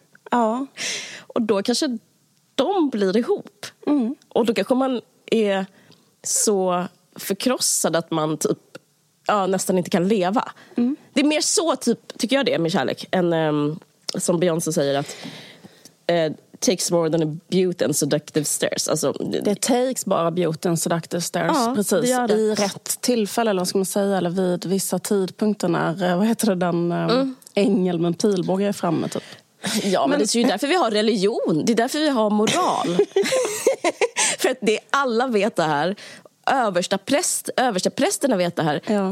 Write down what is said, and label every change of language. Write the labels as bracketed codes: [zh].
[sv] Ja. Och då kanske de blir ihop. Mm. Och då kanske man är så förkrossad att man typ, ja, nästan inte kan leva. Mm. Det är mer så, typ, tycker jag det, med kärlek, än som Beyoncé säger att... [en] takes more than a beauty and seductive stares. [sv] Alltså, [en] det takes bara beauty and seductive stares. [sv] Ja, precis. Det gör det. I rätt tillfälle, eller vad ska man säga, eller vid vissa tidpunkter när, vad heter det, den ängel med pilbåge är framme typ. Ja, men det är ju därför vi har religion. Det är därför vi har moral. För att det alla vet det här. Översta prästerna vet det här. Ja.